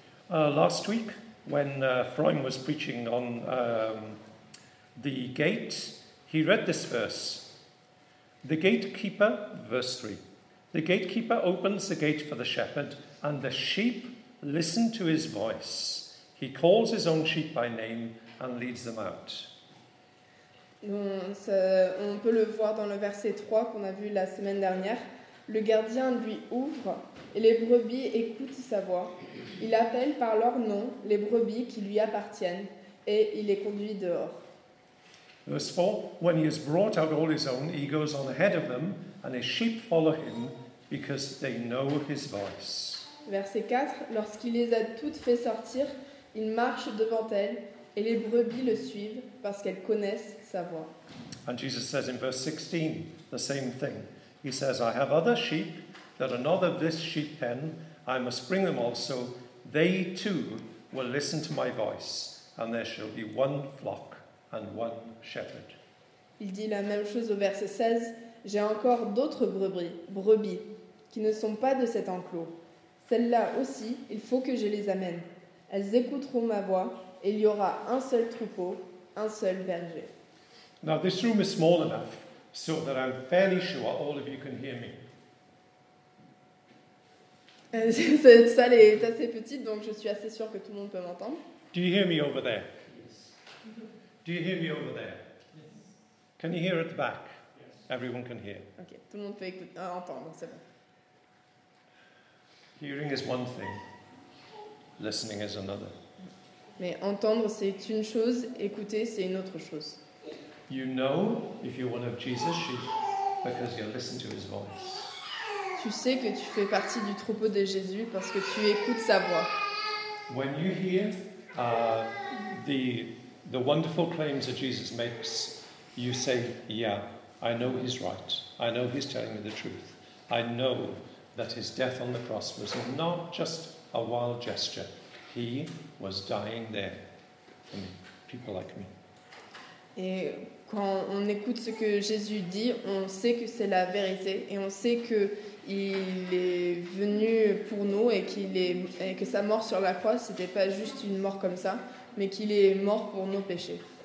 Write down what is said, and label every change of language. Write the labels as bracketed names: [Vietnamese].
[English] Last week, when Freud was preaching on the gate, he read this verse. The gatekeeper, verse 3. The gatekeeper opens the gate for the shepherd, and the sheep listen to his voice. He calls his own sheep by name and leads them out. [French] Donc, ça, on peut le voir dans le verset 3 qu'on a vu la semaine dernière. Le gardien lui ouvre et les brebis écoutent sa voix. Il appelle par leur nom les brebis qui lui appartiennent et il les conduit dehors. [English] Verse 4, when he has brought out all his own, he goes on ahead of them and his sheep follow him because they know his voice. [French] Verset 4, lorsqu'il les a toutes fait sortir, il marche devant elle et les brebis le suivent parce qu'elles connaissent sa voix. [English] And Jesus says in verse 16 the same thing. He says, I have other sheep that are not of this sheep pen. I must bring them also. They too will listen to my voice and there shall be one flock and one shepherd. [French] Il dit la même chose au verset 16. J'ai encore d'autres brebis qui ne sont pas de cet enclos. Celles-là aussi, il faut que je les amène. Elles écouteront ma voix et il y aura un seul troupeau, un seul berger. [English] Now this room is small enough so that I'm fairly sure all of you can hear me. [French] Cette salle est assez petite donc je suis assez sûre que tout le monde peut m'entendre. [English] Do you hear me over there? Yes. Do you hear me over there? Yes. Can you hear at the back? Yes. Everyone can hear. [French] OK, tout le monde peut entendre, c'est bon. [English] Hearing is one thing. Listening is another. [French] Mais entendre c'est une chose, écouter c'est une autre chose. [English] You know if you're one of Jesus' sheep because you listen to his voice. [French] Tu sais que tu fais partie du troupeau de Jésus parce que tu écoutes sa voix. [English] When you hear the wonderful claims that Jesus makes, you say, "Yeah, I know he's right. I know he's telling me the truth. I know that his death on the cross was not just a wild gesture. He was dying there for me, people like me." [French] Et quand on écoute ce que Jésus dit, on sait que c'est la vérité et on sait que il est venu pour nous et que sa mort sur la croix, c'était pas juste une mort comme ça, mais qu'il est mort pour nos péchés.